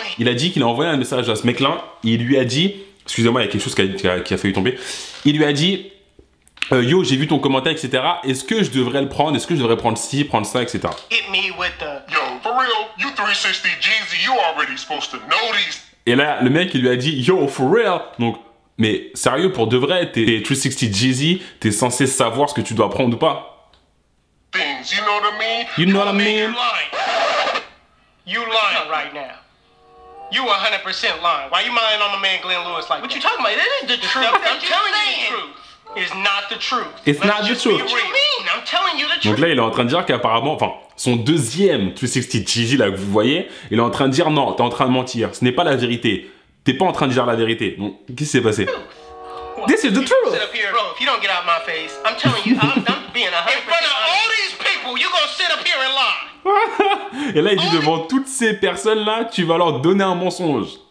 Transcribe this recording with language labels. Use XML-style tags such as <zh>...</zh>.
<fr>Il a dit qu'il a envoyé un message à ce mec-là. Il lui a dit. Excusez-moi, il y a quelque chose qui a failli tomber. Il lui a dit. Yo, j'ai vu ton commentaire, etc. Est-ce que je devrais le prendre? Est-ce que je devrais prendre ci, prendre ça, etc.</fr> <en>Hit me with the... Yo, for real, you 360 Jeezy, you already supposed to know these.</en> <fr>Et là, le mec, il lui a dit,</fr> <en>yo, for real.</en> <fr>Donc, Mais sérieux, pour de vrai, t'es 360 Jeezy, t'es censé savoir ce que tu dois prendre ou pas.</fr> <en>Things, you know what I mean? You know what I mean? You lying right now. You 100% lying. Why you lying on my man Glenn Lewis like what What you talking about? That is the truth. I'm telling saying. You the truth. It's not the truth. It's not the truth. What you mean? I'm telling you the truth.</en> <fr>Donc là, il est en train de dire qu'apparemment, enfin, son deuxième 360 Jeezy là que vous voyez, il est en train de dire non, t'es en train de mentir. Ce n'est pas la vérité. T'es pas en train de dire la vérité. Donc, qu'est-ce qui s'est passé?</fr> <en>What? This is the truth. Sit up here. Bro, if you don't get out of my face, I'm telling you, I'm being 100% honest. In front of all these people, you gonna sit up here and lie.</en> <fr>Et là, il dit devant toutes ces personnes-là, tu vas leur donner un mensonge.</fr>